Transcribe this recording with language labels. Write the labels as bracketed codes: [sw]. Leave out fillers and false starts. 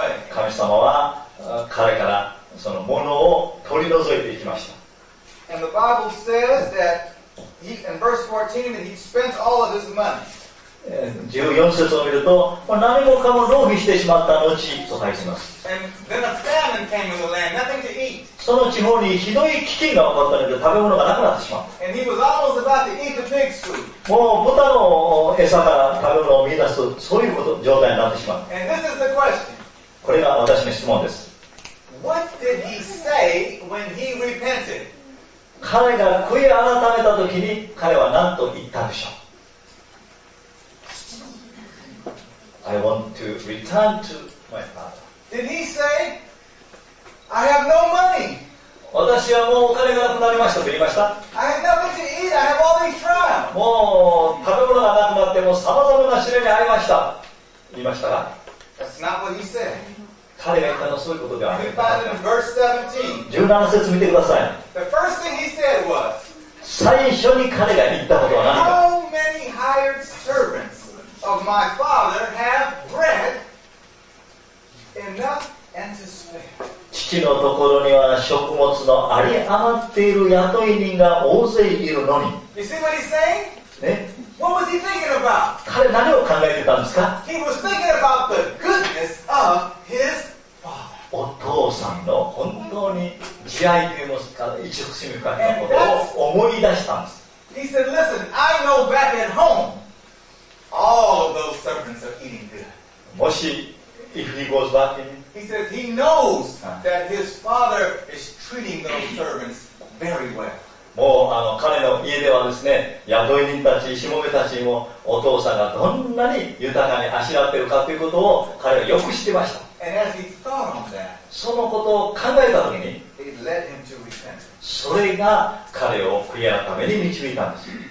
[ja] 神様は彼からそのものを取り除いていきました。 [en] And the Bible says that he, in verse 14, that he spent all of his money. [ja] 14節を見ると、何もかも浪費してしまった後と書いてます。 [en] And then a famine came in the land, nothing to eat. [ja] その地方にひどい飢饉が起こったので食べ物がなくなってしまった。 [en] And he was almost about to eat the pig's food. [ja] もう豚の餌から食べ物を見出すと、そういうこと状態になってしまった。 [en] And this is the question. [ja] これが私の質問です。 [en] What did he say when he repented? [ja] 彼が悔い改めた時に彼は何と言ったでしょう。 [en] I want to return to my father. Did he say, I have no money? [ja] 私はもうお金がなくなりましたと言いました。 [en] I have nothing to eat, I have all these trials. [ja] もう食べ物がなくなってもさまざまな試練に遭いました。言いましたが。 [en] That's not what he said. [ja] 彼が言ったのはそういうことではありません。17節見てください。 [en] The first thing he said was, [ja] 最初に彼が言ったことは何か。 [en] How many hired servants? Of my father have bread enough and to spare. [ja] 父のところには食物のあり余っている雇い人が大勢いるのに。 [en] You see what he's saying? [ja] ね。 [en] What was he thinking about? [ja] 彼何を考えてたんですか? [en] He was thinking about the goodness of his father. [ja] お父さんの本当に慈愛というのか、一足しみかけのことを思い出したんです。 [en] He said, listen, I know back at home. All those servants are eating good. [ja] もし、 [en] if he goes back in, he says he knows that his father is treating those servants very well. [ja] もうあの彼の家ではですね、雇い人たち、しもべたちもお父さんがどんなに豊かにあしらっているかということを彼はよく知ってました。 [en] And as he thought on that, [ja] そのことを考えたときに、 [en] it led him to repent. [ja] それが彼を悔い改めに導いたんです。